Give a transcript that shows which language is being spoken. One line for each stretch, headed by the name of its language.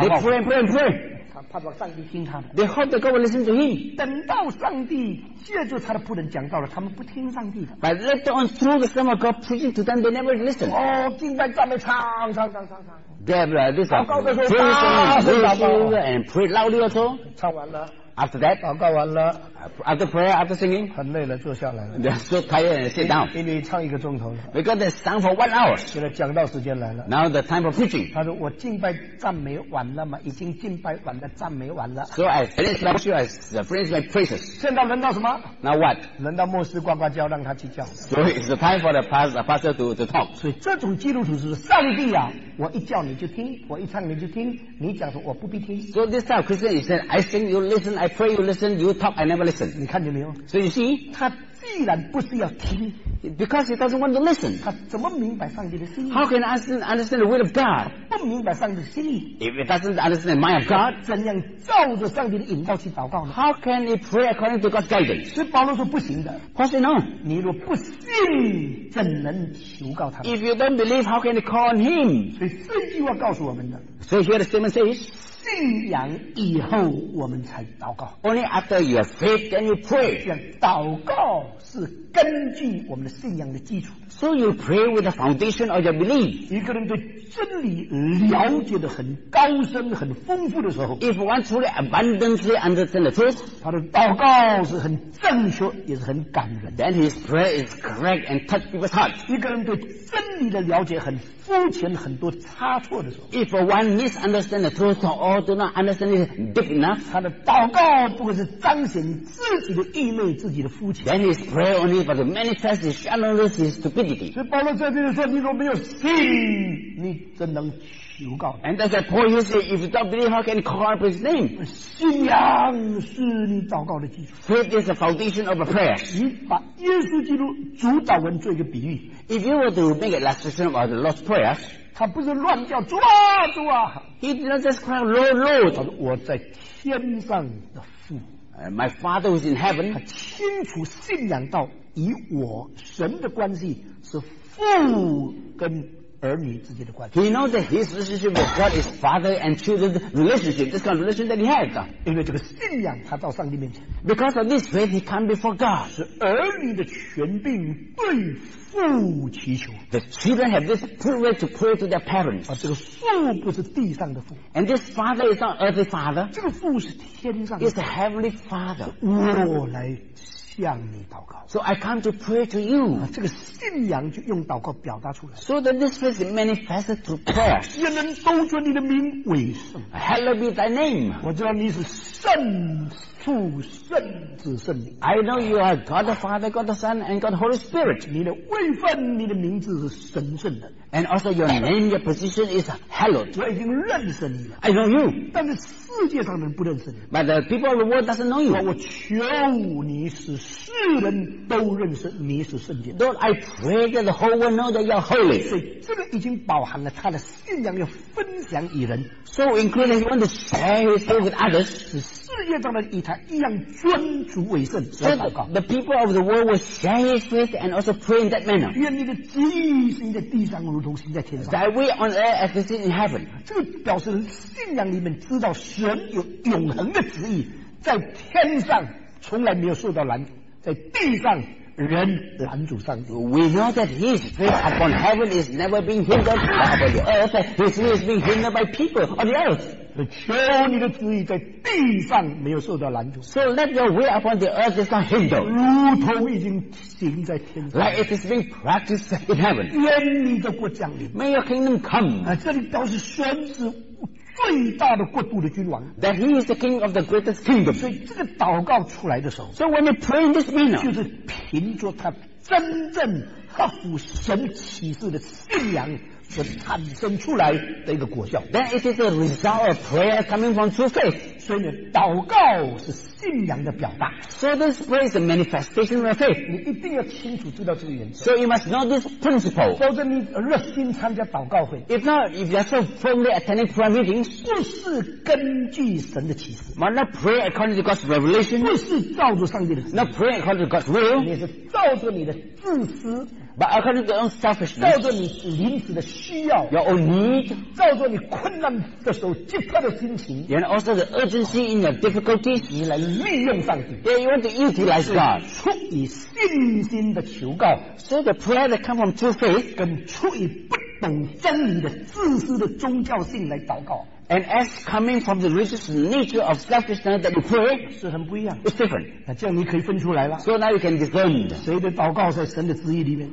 English: They pray and pray and pray.
Chinese: 盼望上帝听他的。
English: They hope that God will listen to him.
Chinese: 等到上帝借助他的仆人讲到了，他们不听上帝的。
English: But later on through the Son of God preaching to them, they never listen.
Chinese: 哦，敬拜赞美唱。
English: Debra, this is a prayer and pray loudly also.
Chinese: 唱完了。
English: After that,
Chinese: 祷告完了。
English: After prayer, after singing,
Chinese: 很累了，坐下来了。
English: They're so tired and sit down.
Chinese: 因为唱一个钟头了。
English: Because they sang for 1 hour.
Chinese: 现在讲到时间来了。
English: Now the time of preaching.
Chinese: 他说我敬拜赞美完了嘛，已经敬拜完了，赞美完了。
English: So I finished my prayer, I finished my praises.
Chinese: 现在轮到什么？
English: Now what?
Chinese: 轮到牧师呱呱叫，让他去叫。
English: So it's the time for the pastor to talk.
Chinese: 所以这种基督徒是上帝啊。我一叫你就听，我一唱你就听，你讲说我不必听。
English: So this type of Christian is that I sing, you listen, I pray, you listen, you talk, I never listen.
Chinese: 你看见没有？
English: So you see,
Chinese: 他既然不是要听，
English: because he doesn't want to listen.
Chinese: 他怎么明白上帝的心意？
English: How can I understand the will of God?
Chinese: 不明白上帝的心意。
English: If he doesn't understand the mind of God,
Chinese: 怎样照着上帝的引导去祷告呢？
English: How can he pray according to God's guidance?
Chinese: 所以保罗说不行的。
English: Paul said no.
Chinese: 你若不信，怎能求告他？
English: If you don't believe, how can you call on him?
Chinese: 这句话告诉我们的。
English: So here the statement says,
Chinese: 信仰以后我们才祷告。
English: Only after you have faith then you pray.
Chinese: 祷告是根据我们的信仰的基础。
English: So you pray with the foundation of your belief.
Chinese: 一个人对真理了解得很高深很丰富的时候，
English: If one truly abundantly understands the truth,
Chinese: 他的祷告是很正确也是很感人。
English: Then his prayer is correct and touch people's heart.
Chinese: 一个人对真理的了解很肤浅很多差错的时候，
English: If one misunderstands the truth or do not understand it deep enough,
Chinese: 他的祷告不过是彰显自己的愚昧自己的肤浅。
English: Then his prayer only but manifests his shallowness his stupidity.
Chinese: 所以保罗在这里说，你若没有信你怎能求告。
English: And that's the point he said, if you don't believe how can you call up his name?
Chinese: 信仰是你祷告的基础。
English: Faith is the foundation of a prayer.
Chinese: 你把耶稣基督主祷文做一个比喻。
English: If you were to make an illustration about the Lord's Prayer,
Chinese: 他不是乱叫主啊主啊，
English: He did not just cry Lord Lord.
Chinese: 他说我在天上的父，
English: My Father who is in heaven.
Chinese: 他清楚信仰到以我神的关系是父跟儿女之间的关系。
English: He knows that his relationship with God is father and children's relationship, this kind of relationship that he has.
Chinese: 因为这个信仰他到上帝面前，
English: Because of this faith he comes before God.
Chinese: 是儿女的权柄对父祈求。
English: The children have this privilege to pray to their parents.
Chinese: 而这个父不是地上的父。
English: And this father is not earthly father.
Chinese: 这个父是天上的。
English: It's a heavenly father.
Chinese: 我来向你祷告。
English: So I come to pray to you.
Chinese: 这个信仰就用祷告表达出来。
English: So that this faith is manifested through prayer.
Chinese: 愿人都尊你的名为圣。
English: Hallowed be thy name.
Chinese: 我知道你是圣父圣子圣灵。
English: I know you are God the Father, God the Son, and God the Holy Spirit.
Chinese: 你的位分你的名字是神圣的。
English: And also your name, your position is hallowed.
Chinese: 我已经认识你了。
English: I know you.
Chinese: 但是世界上人不认识你。
English: But the people of the world doesn't know you.
Chinese: 我求你是世人都认识你是圣洁。
English: Lord, I pray that the whole world know that you are holy.
Chinese: 所以这个已经包含了他的信仰要分享与人。
English: So including you want to share his faith with others.
Chinese: 是世界上的以他一样尊主为圣。
English: So the people of the world will share his faith and also pray in that manner.
Chinese: 愿你的旨意行在地上如同行在天上。
English: That way on earth as it is in heaven.
Chinese: 这个表示信仰里面知道神有永恒的旨意在天上从来没有受到拦阻，在地上人拦阻上帝。
English: We know that his faith upon heaven is never being hindered by the earth, his faith is being hindered by people on the earth.
Chinese: 求你的旨意在地上没有受到拦阻。
English: So let your will upon the earth is not hindered.
Chinese: 如同已经行在天上。
English: Like it is being practiced in heaven.
Chinese: 愿你的国降临。
English: May your kingdom come.
Chinese: 这里都是宣示最大的国度的君王。
English: That he is the king of the greatest kingdom.
Chinese: 所以这个祷告出来的时候，
English: So when you pray in this manner,
Chinese: 就是凭着他真正合乎神启示的信仰所产生出来的一个果效。
English: Then it is the result of prayer coming from true faith.
Chinese: 所以呢，祷告是信仰的表达。
English: So this prayer is the manifestation of faith.
Chinese: 你一定要清楚知道这个原则。
English: So you must know this principle.
Chinese: 否则你热心参加祷告会，
English: If not, if you are so firmly attending prayer meetings,
Chinese: 不是根据神的启示，
English: But not pray according to God's revelation,
Chinese: 不是照着上帝的旨意，
English: Not pray according to God's will,
Chinese: 你是照着你的自私，
English: But according to your own selfishness,
Chinese: 照着你临时的需要，
English: Your own need,
Chinese: 照着你困难的时候急迫的心情，
English: And also the urgency in your difficulties,
Chinese: 你来利用上帝。
English: Yeah, you want to utilize God.
Chinese: 出于信心的求告，
English: So the prayer that comes from true faith,
Chinese: 跟出于不懂真理的自私的宗教性来祷告，
English: And as coming from the religious nature of selfishness that you pray,
Chinese: 是很不一样。
English: It's different.
Chinese: 那这样你可以分出来了。
English: So now you can discern.
Chinese: 谁的祷告在神的旨意里面？